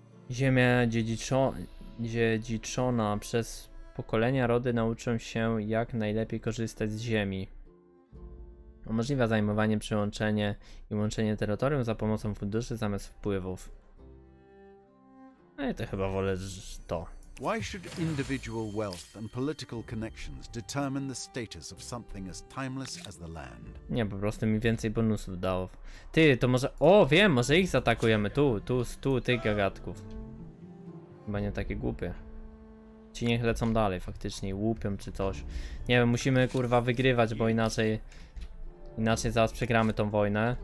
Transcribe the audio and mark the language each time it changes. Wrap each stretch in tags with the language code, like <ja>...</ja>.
<pl>Ziemia dziedziczona przez pokolenia rody nauczą się, jak najlepiej korzystać z ziemi. Umożliwia zajmowanie, przyłączenie i łączenie terytorium za pomocą funduszy zamiast wpływów. No i to chyba wolę to.</pl> <en>Why should individual wealth and political connections determine the status of something as timeless as the land?</en> <pl>Nie, po prostu mi więcej bonusów dało. Ty, to może... O, wiem, może ich zaatakujemy tu tych gagatków. Chyba nie takie głupie. Ci niech lecą dalej faktycznie, łupią czy coś. Nie wiem, musimy kurwa wygrywać, bo inaczej zaraz przegramy tą wojnę.</pl>